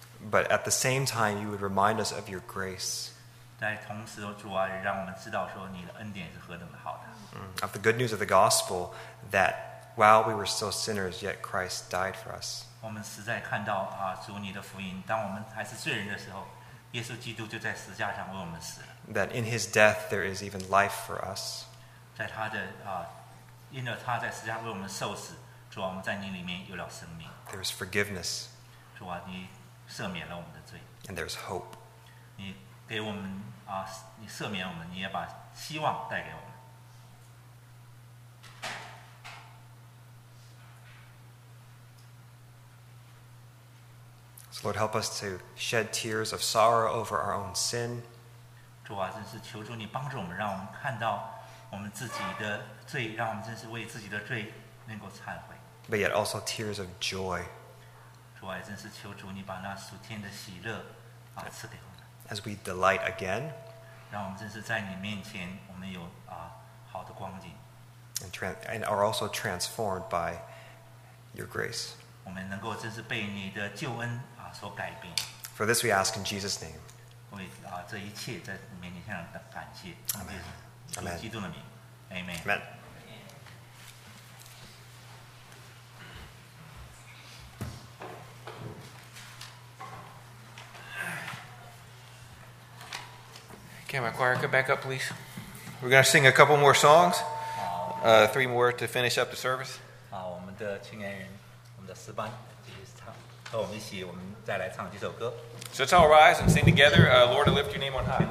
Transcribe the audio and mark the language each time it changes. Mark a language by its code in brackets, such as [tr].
[en] But at the same time, you would remind us of your grace. [zh] 在同时，主啊，让我们知道说你的恩典是何等的好的。 [en] Of the good news of the gospel, that while we were still sinners, yet Christ died for us. [zh] 我们实在看到啊，主你的福音，当我们还是罪人的时候，耶稣基督就在十字架上为我们死了。 [en] That in His death there is even life for us. [zh] 在他的啊，因着他在十字架为我们受死。主啊，我们在你里面有了生命。 [en] There is forgiveness. [zh] 主啊，你赦免了我们的罪。 [en] And there is hope. [zh] 你给我们啊，你赦免我们，你也把希望带给我们。 [en] So Lord, help us to shed tears of sorrow over our own sin. [zh] 主啊，真是求主你帮助我们，让我们看到我们自己的罪，让我们真是为自己的罪能够忏悔。 [en] But yet also tears of joy. [zh] 主啊，真是求主你把那属天的喜乐啊赐给我们。 [en] As we delight again, [zh] 让我们真是在你面前，我们有啊好的光景。 [en] And are also transformed by your grace. [zh] 我们能够真是被你的救恩啊所改变。 [en] For this we ask in Jesus' name. [zh] 为啊这一切在你面前的感谢。 [en] Amen. [zh] 主基督的名 ，Amen. [en] Amen. Can my choir come back up, please? We're going to sing a couple more songs. Three more to finish up the service. [zh] 好，我们的青年人，我们的诗班继续唱，和我们一起，我们再来唱几首歌。 [en] So let's all rise and sing together. Lord, I lift your name on high.